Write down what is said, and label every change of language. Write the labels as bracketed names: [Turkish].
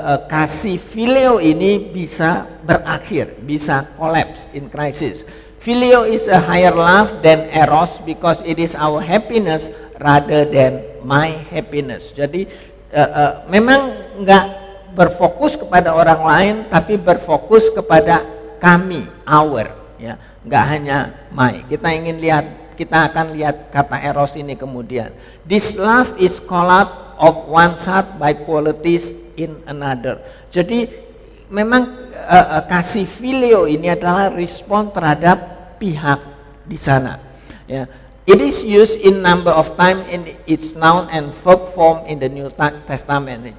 [Indonesian] Kasih filio ini bisa berakhir, bisa [English] collapse in crisis. Filio is a higher love than eros because it is our happiness rather than my happiness. [Indonesian] Jadi memang enggak berfokus kepada orang lain, tapi berfokus kepada kami, our, ya, enggak hanya my. Kita ingin lihat, kita akan lihat kata eros ini kemudian. [English] This love is colored of one side by qualities in another. [Indonesian] Jadi memang kasih filio ini adalah respon terhadap pihak di sana. Ya. [English] It is used in number of time in its noun and verb form in the New Testament.